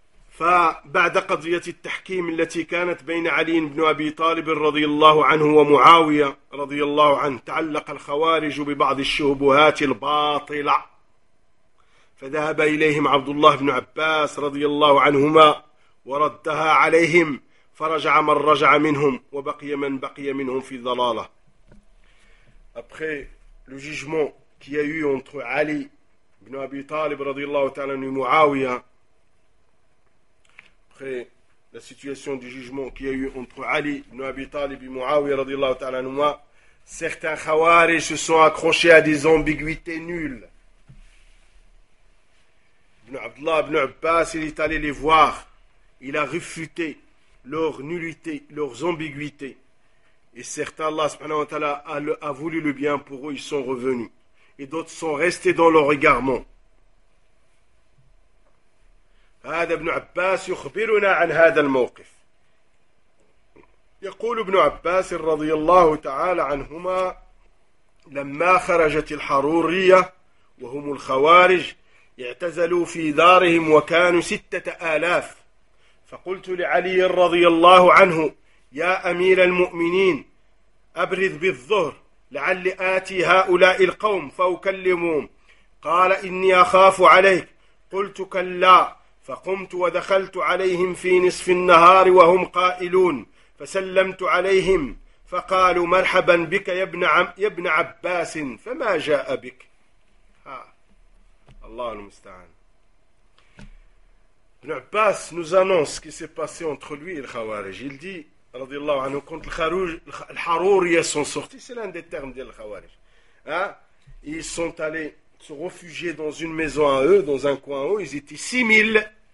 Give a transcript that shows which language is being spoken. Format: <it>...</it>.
<ar>فبعد قضية التحكيم التي كانت بين علي بن أبي طالب رضي الله عنه ومعاوية رضي الله عنه تعلق الخوارج ببعض الشبهات الباطلة فذهب إليهم عبد الله بن عباس رضي الله عنهما وردها عليهم فرجع من رجع منهم وبقي من بقي منهم في ضلالة.</ar> <fr>Après le jugement qui a eu entre Ali ibn Abi Talib</fr> <ar>رضي الله تعالى عنه ومعاوية,</ar> <fr>après la situation du jugement qui a eu entre Ali ibn Abi Talib et Muawiyah</fr> <ar>radhiyallahu ta'ala anhuma,</ar> <fr>certains khawarij se sont accrochés à des ambiguïtés nulles. Ibn Abdullah ibn Abbas, il est allé les voir. Il a réfuté leur nullité, leurs ambiguïtés. Et certains, Allah</fr> <ar>subhanahu wa ta'ala</ar> <fr>a voulu le bien pour eux, ils sont revenus. Et d'autres sont restés dans leur égarement.</fr> <ar>هذا ابن عباس يخبرنا عن هذا الموقف. يقول ابن عباس رضي الله تعالى عنهما لما خرجت الحرورية وهم الخوارج اعتزلوا في دارهم وكانوا 6,000, فقلت لعلي رضي الله عنه يا أمير المؤمنين أبرز بالظهر لعلي آتي هؤلاء القوم فأكلمهم, قال إني أخاف عليك, قلت كلا, فقمت ودخلت عليهم في نصف النهار وهم قائلون, فسلمت عليهم فقالوا مرحبا بك يا ابن عباس فما جاء بك. الله المستعان.</ar> <fr>ابن عباس nous annonce ce qui s'est passé entre lui et le Khawarij. Il dit,</fr> <ar>رضي الله عنه,</ar> <fr>quand les Harouriyas sont sortis, c'est l'un des termes des Khawarij. Ils sont allés se réfugier dans une maison à eux, dans un coin à eux, ils étaient 6,000.</fr>